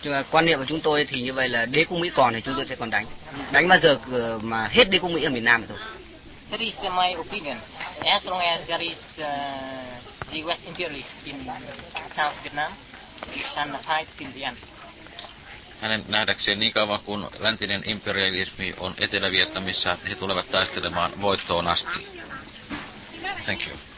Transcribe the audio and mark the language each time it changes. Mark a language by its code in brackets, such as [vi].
[vi] Quan niệm của chúng tôi thì như vậy là đế quốc Mỹ còn thì chúng tôi sẽ còn đánh. Đánh bao giờ mà hết đế quốc Mỹ ở miền Nam rồi. [en] That is my opinion. As long as there is the West imperialists in South Vietnam, we shall fight till the end. [fi] Hänen nähdäkseen niin kauan kuin läntinen imperialismi on Etelä-Vietnamissa, he tulevat taistelemaan voittoon asti. [en] Thank you.